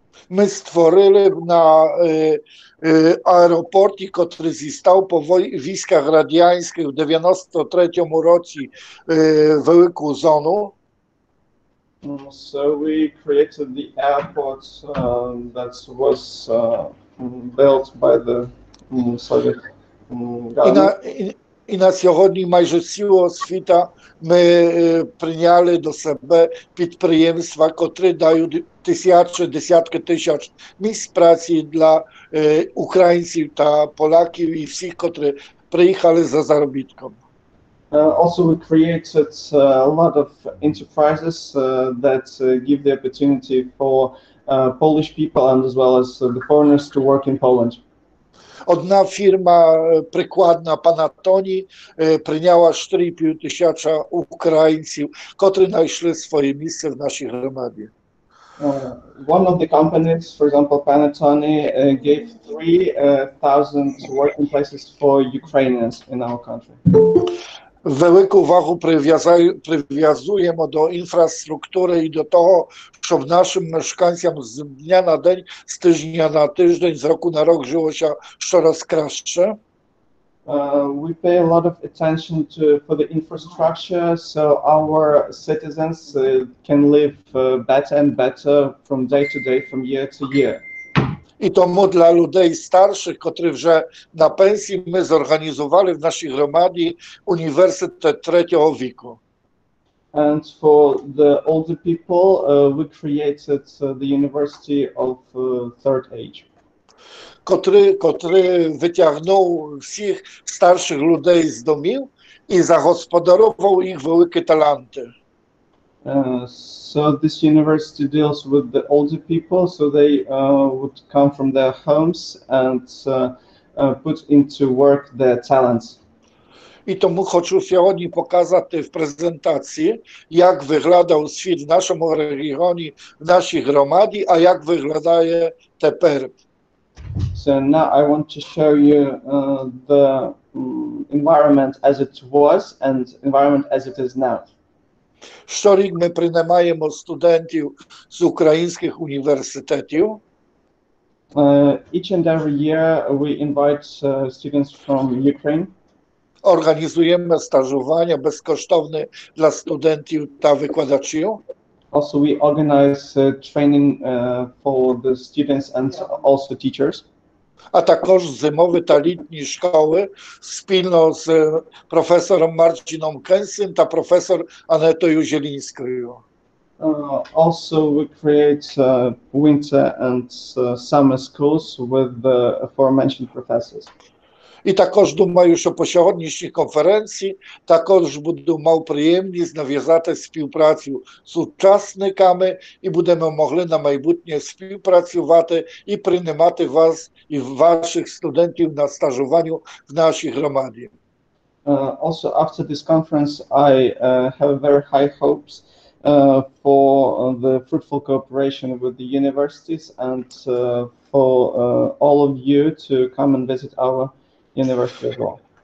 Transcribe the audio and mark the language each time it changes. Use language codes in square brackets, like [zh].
[uk] Ми створили на аеропорті, котрий зістав по військах радянських в 93-му році велику зону. [en] So we created the airport that was built by the Soviet government. [uk] І на сьогодні майже цілого світа ми прийняли до себе підприємства, котрі дають тисячі, десятки тисяч місць праці для українців та поляків і всіх, котрі приїхали за заробітком. [en] Also we created a lot of enterprises that give the opportunity for Polish people and as well as the foreigners to work in Poland. [uk] Одна фірма прикладна пана Тоні прийняла 4,5 тисячі українців, котрі знайшли своє місце в нашій громаді. [en] One of the companies, for example, Panettone, gave 3,000 working places for Ukrainians in our country. [uk] Велику вагу прив'язуємо до інфраструктури і до того, щоб нашим мешканцям з дня на день, з тижня на тиждень, з року на рок жилося щораз краще. [en] We pay a lot of attention for the infrastructure, so our citizens can live better and better from day to day, from year to year. [uk] І тому для людей старших, котрі вже на пенсії, ми зорганізували в нашій громаді університет третього віку. [en] And for the older people, we created the University of Third Age. [uk] Котрий витягнув всіх старших людей з домів і загосподарував їх великі таланти. [en] So this university deals with the older people, so they would come from their homes and put into work their talents. [uk] І тому хочу сьогодні показати в презентації, як виглядав світ в нашому регіоні, в нашій громаді, а як виглядає тепер. [en] So now I want to show you the environment as it was and environment as it is now. [uk] Щорік ми приймаємо студентів з українських університетів. [en] Each and every year we invite students from Ukraine. [uk] Організуємо стажування безкоштовне для студентів та викладачів. [en] Also we organize training for the students and also teachers. [uk] a також зимові та літні школи спільно з професором Марчином Кенсим та професор Анетою Жилінською. [en] Also, we create winter and summer schools with the aforementioned professors. [uk] І також думаю, що по сьогоднішній конференції також буду мав приємність нав'язати співпрацю з учасниками і будемо могли на майбутнє співпрацювати і приймати вас і ваших студентів на стажуванню в нашій громаді. [en] Also, after this conference, I have very high hopes for the fruitful cooperation with the universities and for all of you to come and visit our university as well.